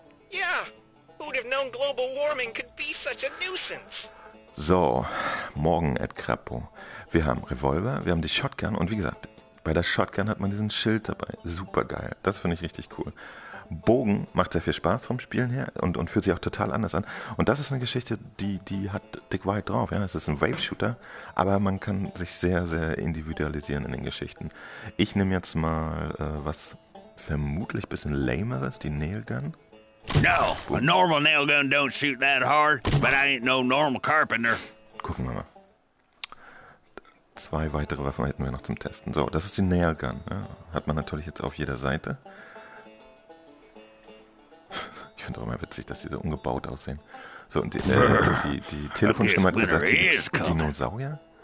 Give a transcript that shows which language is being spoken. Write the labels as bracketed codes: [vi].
[en] Who'd have known global warming could be such a nuisance? [de] So, morgen at Krapo. Wir haben Revolver, wir haben die Shotgun und wie gesagt, bei der Shotgun hat man diesen Schild dabei. Super geil. Das finde ich richtig cool. Bogen macht sehr viel Spaß vom Spielen her und fühlt sich auch total anders an. Und das ist eine Geschichte, die hat Dick White drauf. Ja, es ist ein Wave-Shooter, aber man kann sich sehr, sehr individualisieren in den Geschichten. Ich nehme jetzt mal was vermutlich ein bisschen lameres, die Nailgun. [en] No, a normal nail gun don't shoot that hard, but I ain't no normal carpenter. [de] Gucken wir mal. Zwei weitere Waffen hätten wir noch zum Testen. So, das ist die Nail Gun. Ja, hat man natürlich jetzt auf jeder Seite. Ich finde auch immer witzig, dass sie so umgebaut aussehen. So, und die Telefonstimme hat gesagt, die Dinosaurier?